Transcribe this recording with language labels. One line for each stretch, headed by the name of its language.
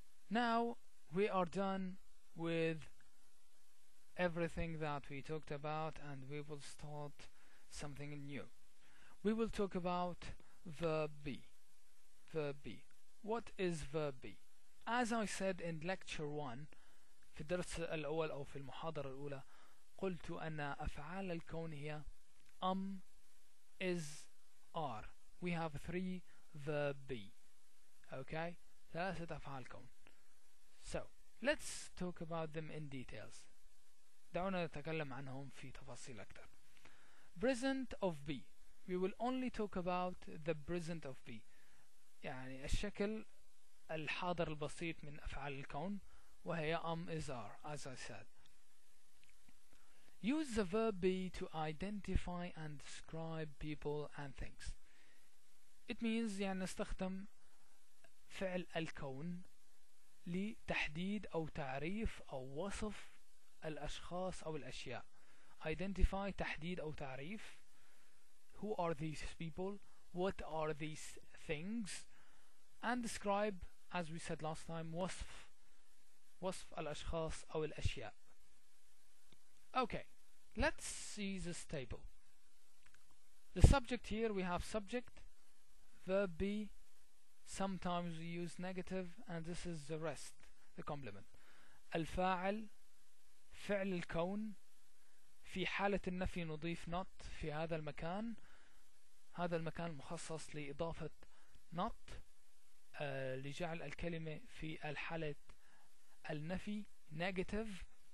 English: Now we are done with everything that we talked about, and we will start something new. We will talk about verb be. Verb be. What is verb be? As I said in lecture 1,
Arabic: في الدرس الأول أو في المحاضرة الأولى, قلت أن أفعال الكون هي is, are.
English: We have three verb be. Okay?
Arabic: ثلاثة أفعال كون.
English: So, let's talk about them in details.
Arabic: دعونا نتكلم عنهم في تفاصيل أكثر.
English: Present of be. We will only talk about the present of be.
Arabic: يعني الشكل الحاضر البسيط من أفعال الكون, وهي is, are,
English: as I said. Use the verb be to identify and describe people and things. It means
Arabic: يعني نستخدم فعل الكون لتحديد أو تعريف أو وصف الأشخاص أو الأشياء. Identify تحديد أو تعريف.
English: Who are these people? What are these things? And describe, as we said last time,
Arabic: وصف الأشخاص أو الأشياء.
English: Okay, let's see this table. The subject here, we have subject, verb be, sometimes we use negative, and this is the rest, the complement.
Arabic: الفاعل, فعل الكون, في حالة النفي نضيف not في هذا المكان. هذا المكان مخصص لإضافة not لجعل الكلمة في الحالة النفي negative.